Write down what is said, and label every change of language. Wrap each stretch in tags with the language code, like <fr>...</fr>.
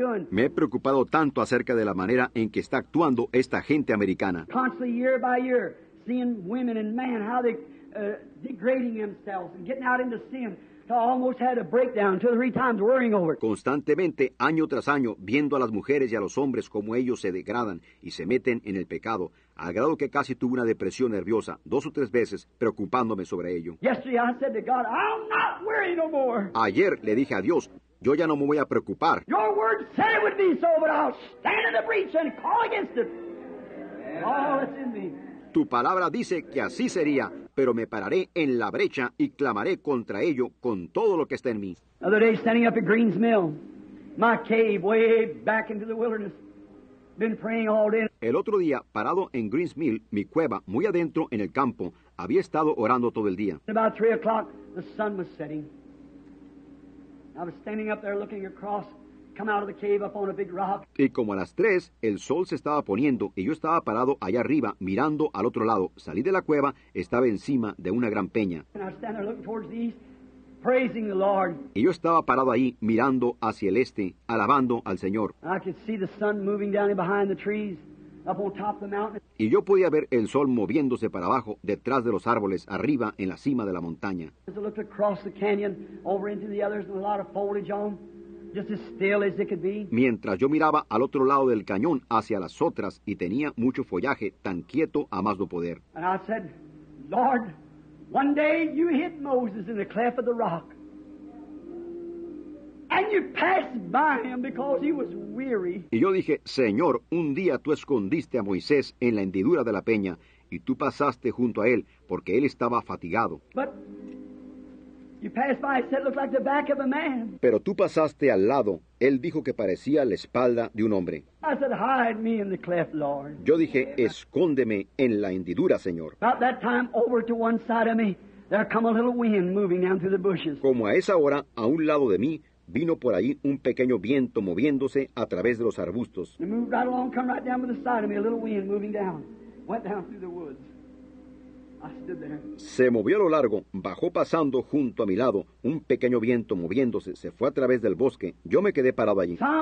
<es>Me he preocupado tanto acerca de la manera en que está actuando esta gente americana.</es> <en>Constantly, year by year, seeing women and men, how they degrading themselves and getting out into sin. Almost had a breakdown two or three times worrying over it.</en> <es>Constantemente, año tras año, viendo a las mujeres y a los hombres como ellos se degradan y se meten en el pecado, al grado que casi tuve una depresión nerviosa dos o tres veces preocupándome sobre ello.</es> <en>Yesterday I said to God, I'll not worry no more.</en> <es>Ayer le dije a Dios, yo ya no me voy a preocupar.</es> <en>Your word said it would be so, but I'll stand in the breach and call against it. All that's in me.</en> <es>Tu palabra dice que así sería, pero me pararé en la brecha y clamaré contra ello con todo lo que está en mí.</es> <en>The other day, standing up at Green's Mill, my cave way back into the wilderness, been praying all day.</en> <es>El otro día, parado en Green's Mill, mi cueva, muy adentro en el campo, había estado orando todo el día.</es> <en>About 3 o'clock, the sun was setting. I was standing up there looking across. Come out of the cave up on a big rock.</en> <es>Y como a las 3, el sol se estaba poniendo y yo estaba parado allá arriba mirando al otro lado. Salí de la cueva, estaba encima de una gran peña.</es> <en>And I stand there looking towards the east, praising the Lord.</en> <es>Y yo estaba parado ahí mirando hacia el este, alabando al Señor.</es> <en>I could see the sun moving down behind the trees up on top of the mountain.</en> <es>Y yo podía ver el sol moviéndose para abajo detrás de los árboles arriba en la cima de la montaña.</es> <en>As I looked across the canyon over into the others with a lot of foliage on. Just as still as it could be.</en> <es>Mientras yo miraba al otro lado del cañón hacia las otras y tenía mucho follaje, tan quieto a más no poder.</es> <en>And I said, Lord, one day you hit Moses in the cleft of the rock. And you passed by him because he was weary.</en> <es>Y yo dije, Señor, un día tú escondiste a Moisés en la hendidura de la peña y tú pasaste junto a él porque él estaba fatigado.</es> <en>But you passed by, said it looked like the back of a man.</en> <es>Pero tú pasaste al lado. Él dijo que parecía la espalda de un hombre.</es> <en>I said, hide me in the cleft, Lord.</en> <es>Yo dije, escóndeme en la hendidura, Señor.</es> <en>About that time, over to one side of me, there come a little wind moving down through the bushes.</en> <es>Como a esa hora, a un lado de mí, vino por ahí un pequeño viento moviéndose a través de los arbustos.</es> <en>It moved right along, come right down to the side of me, a little wind moving down, went down through the woods.</en> <es>Se movió a lo largo, bajó pasando junto a mi lado, un pequeño viento moviéndose, se fue a través del bosque, yo me quedé parado allí.</es>